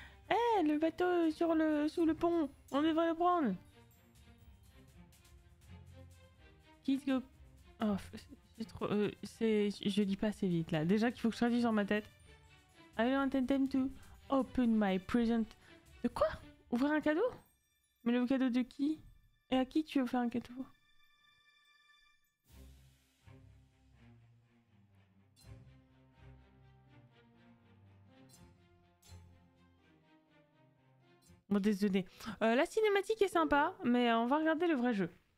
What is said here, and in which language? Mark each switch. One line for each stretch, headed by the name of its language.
French: Hey, le bateau sous le pont, on devrait le prendre.
English: Kids go.
French: Oh, c'est trop. Je lis pas assez vite là. Déjà qu'il faut que je traduise dans ma tête.
English: I want them to open my present.
French: De quoi? Ouvrir un cadeau? Mais le cadeau de qui? Et à qui tu veux offrir un cadeau? Bon, désolé. La cinématique est sympa, mais on va regarder le vrai jeu.